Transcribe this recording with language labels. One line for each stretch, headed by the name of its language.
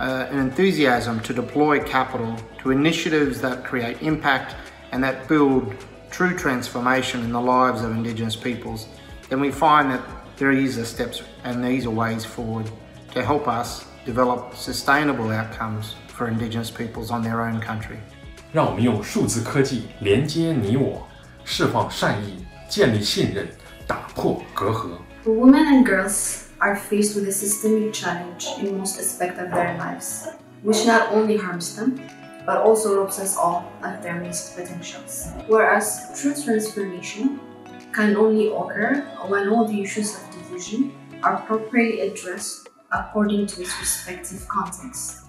English: enthusiasm to deploy capital to initiatives that create impact and that build true transformation in the lives of Indigenous peoples, then we find that there is a steps and these are ways forward to help us develop sustainable outcomes for Indigenous peoples on their own country.
Chinese: 让我们用数字科技连接你我，释放善意，建立信任，打破隔阂。
English: Women and girls are faced with a systemic challenge in most aspects of their lives, which not only harms them, but also robs us all of their missed potentials. Whereas true transformation can only occur when all the issues of division are properly addressed according to its respective contexts.